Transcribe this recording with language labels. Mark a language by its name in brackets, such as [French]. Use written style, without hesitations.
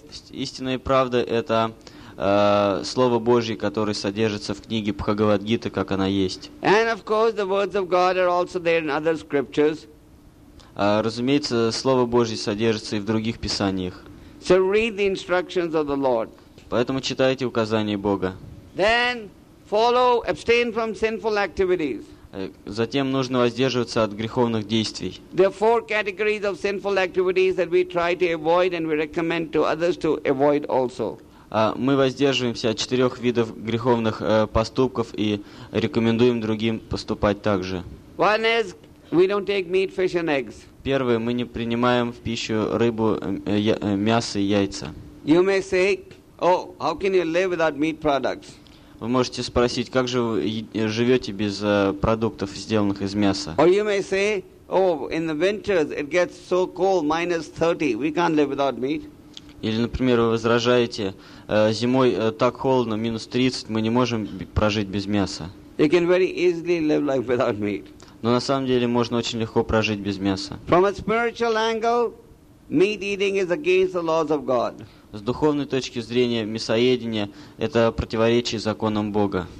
[Russian] Истинная правда — это Слово Божье, которое содержится в книге Бхагавад-гита, как она есть. [English] And of course the words of God are also there in other scriptures. [Russian] Разумеется, Слово Божье содержится и в других писаниях. [English] So read the instructions of the Lord. [Russian] Поэтому читайте указания Бога. [English] Then follow, abstain from sinful activities. [Russian] Затем нужно воздерживаться от греховных действий. [English] There are four categories of sinful activities that we try to avoid and we recommend to others to avoid also. [Russian] Мы воздерживаемся от четырех видов греховных поступков и рекомендуем другим поступать так же. [English] One is we don't take meat, fish and eggs. [Russian] Первое, мы не принимаем в пищу рыбу, мясо и яйца. [English] You may say, oh, how can you live without meat products? [Russian] Вы можете спросить, как же вы живете без продуктов, сделанных из мяса? [English] Or you may say, oh, in the winters it gets so cold, -30, we can't live without meat. [Russian] Или, например, вы возражаете, зимой так холодно, -30, мы не можем прожить без мяса. [English] You can very easily live like without meat. [Russian] Но на самом деле можно очень легко прожить без мяса. [English] From a spiritual angle, meat eating is against the laws of God. [Russian] С духовной точки зрения, мясоедение — это противоречие законам Бога.